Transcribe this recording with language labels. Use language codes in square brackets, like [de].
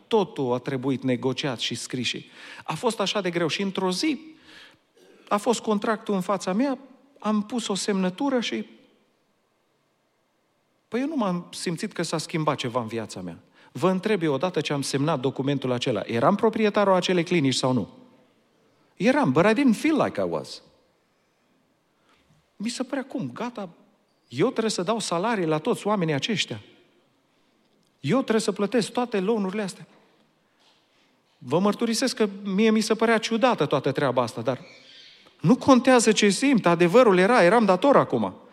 [ro] Totul a trebuit negociat și scris. A fost așa de greu și într-o zi a fost contractul în fața mea, am pus o semnătură și... Păi eu nu m-am simțit că s-a schimbat ceva în viața mea. Vă întreb eu, odată ce am semnat documentul acela, eram proprietarul acelei clinici sau nu? Eram, [en] but I didn't feel like I was. [ro] Mi se părea, cum, gata, eu trebuie să dau salarii la toți oamenii aceștia. Eu trebuie să plătesc toate loanurile astea. Vă mărturisesc că mie mi se părea ciudată toată treaba asta, dar nu contează ce simt, adevărul era, eram dator acum.